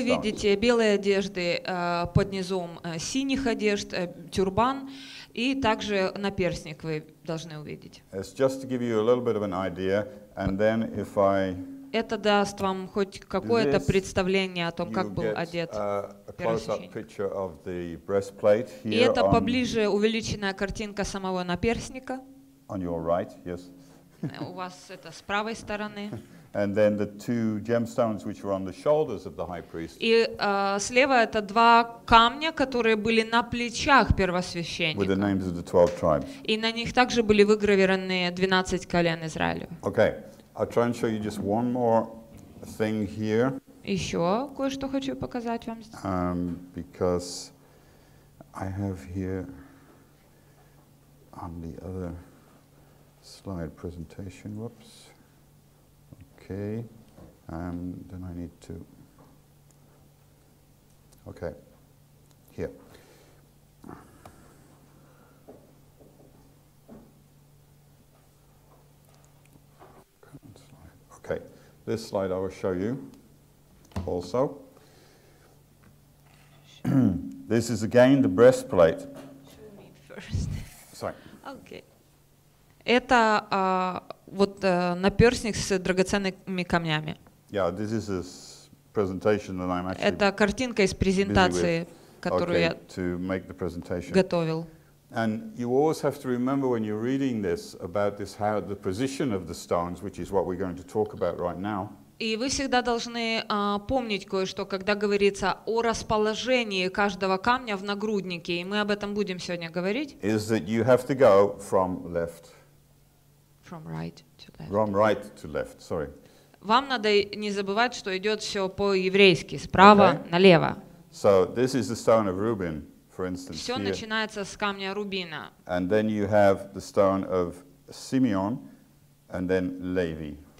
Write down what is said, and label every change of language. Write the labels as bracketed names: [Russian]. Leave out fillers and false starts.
[Russian] Вы видите белые одежды под низом синих одежд, тюрбан, и также наперсник вы должны увидеть. [English] It's just to give you a little bit of an idea, and then if I... [Russian] Это даст вам хоть какое-то представление о том, как был одет первосвященник. И это поближе увеличенная картинка самого наперсника. [English] On your right, yes. [Russian] У вас это с правой стороны. [English] And then the two gemstones, which were on the shoulders of the high priest. [Russian] И слева это два камня, которые были на плечах первосвященника. [English] With the names of the 12 tribes. [Russian] И на них также были выгравированы 12 колен Израиля. [English] Okay. I'll try and show you just one more thing here. [Russian] Еще кое-что хочу показать вам. [English] Because I have here on the other slide presentation. Whoops. Okay. Then I need to. Okay. Here. This slide I will show you also. This is again the breastplate. Show me first. Sorry. Okay. [Russian] Это вот наперсник с драгоценными камнями. [English] Yeah, this is a presentation that I'm actually. [Russian] Это картинка из презентации, которую [English] okay, [Russian] я [English] to make the presentation. [Russian] Готовил. [English] And you always have to remember when you're reading this about this how the position of the stones, which is what we're going to talk about right now. [Russian] И вы всегда должны помнить кое-что, когда говорится о расположении каждого камня в нагруднике, и мы об этом будем сегодня говорить. [English] Is that you have to go from left. From right to left. From right to left. Sorry. [Russian] Вам надо не забывать, что идет все по-еврейски, справа налево. [English] So this is the stone of Reuben. Instance, [Russian] все начинается с камня рубина. [English] And then you have the stone of Simeon, and then Levi.